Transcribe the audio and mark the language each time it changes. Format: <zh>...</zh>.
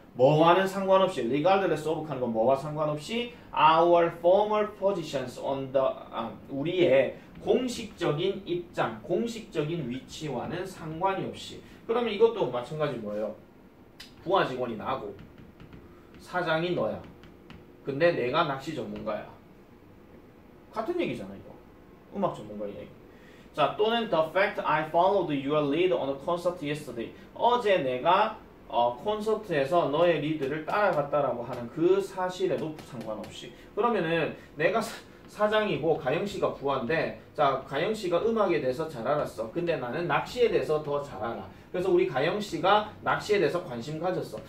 <ko>뭐와는 상관없이</ko> <en>Regardless of</en> <ko>하는 건 뭐와 상관없이</ko> <en>Our formal positions on the</en> <ko>우리의 공식적인 입장, 공식적인 위치와는 상관이 없이. 그러면 이것도 마찬가지 뭐예요? 부하 직원이 나고 사장이 너야. 근데 내가 낚시 전문가야. 같은 얘기잖아, 이거. 음악 전문가 얘기. 자, 또는</ko> <en>the fact I followed your lead on a concert yesterday.</en> <ko>어제 내가 콘서트에서 너의 리드를 따라갔다라고 하는 그 사실에도 상관없이. 그러면은 내가 사장이고 가영 씨가 부하인데, 자, 가영 씨가 음악에 대해서 잘 알았어. 근데 나는 낚시에 대해서 더 잘 알아. 그래서 우리 가영 씨가 낚시에 대해서 관심 가졌어.</ko>